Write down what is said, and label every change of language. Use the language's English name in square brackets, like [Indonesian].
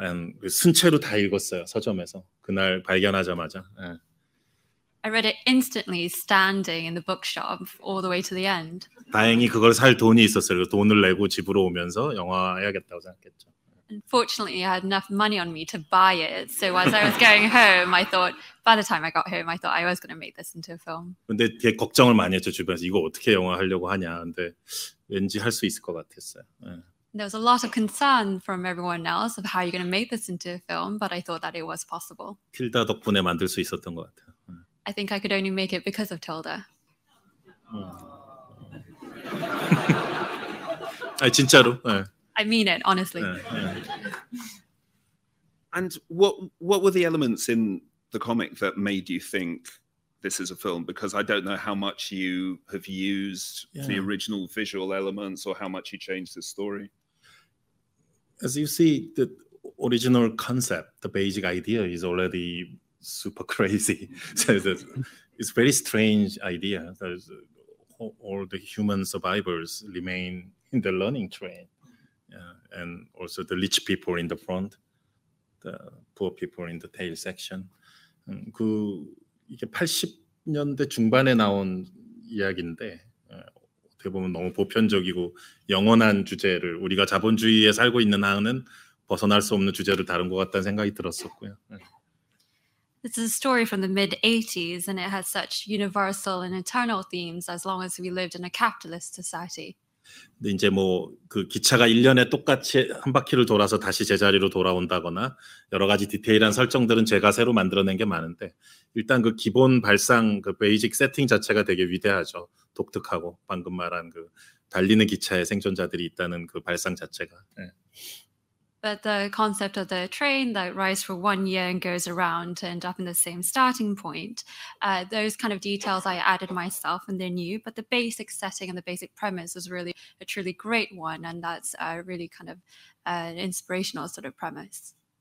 [Korean] And 순체로 다 읽었어요, 서점에서. 그날 발견하자마자. [English] I read it instantly, standing in the bookshop all the way to the end. [Korean] 다행히 그걸 살 돈이 있었어요. 돈을 내고 집으로 오면서 영화 해야겠다고 생각했죠. [English] Unfortunately, I had enough money on me to buy it. So as I was going home, I thought, by the time I got home, I thought I was going to make this into a film. [Korean] 근데 되게 걱정을 많이 했죠, 주변에서. 이거 어떻게 영화 하려고 하냐. 근데 왠지 할 수 있을 것 같았어요. 네. [English] There was a lot of concern from everyone else of how you're going to make this into a film, but I thought that it was possible. [Korean] 틸다 덕분에 만들 수 있었던 것 같아요. [English] I think I could only make it because of Tilda. [Korean] 아 진짜로? 네. [English] I mean it, honestly. 네, 네. And what were the elements in the comic that made you think this is a film? Because I don't know how much you have used the original visual elements or how much you changed the story. As you see, the original concept, the basic idea is already super crazy. It's a very strange idea. There's all the human survivors remain in the learning train. Yeah. And also the rich people in the front, the poor people in the tail section. [Korean] 그 이게 80년대 중반에 나온 이야기인데 어떻게 보면 너무 보편적이고 영원한 주제를 우리가 자본주의에 살고 있는 한은 벗어날 수 없는 주제를 다룬 것 같다는 생각이 들었었고요. [English] This is a story from the mid-80s, and it has such universal and eternal themes as long as we lived in a capitalist society. [Korean] 근데 이제 뭐 그 기차가 1년에 똑같이 한 바퀴를 돌아서 다시 제자리로 돌아온다거나 여러 가지 디테일한 설정들은 제가 새로 만들어낸 게 많은데 일단 그 기본 발상, 그 베이직 세팅 자체가 되게 위대하죠. 독특하고 방금 말한 그 달리는 기차에 생존자들이 있다는 그 발상 자체가. 네. [English] But the concept of the train that rides for 1 year and goes around to end up in the same starting point, those kind of details I added myself and they're new, but the basic setting and the basic premise is really a truly great one, and that's a really kind of an inspirational sort of premise.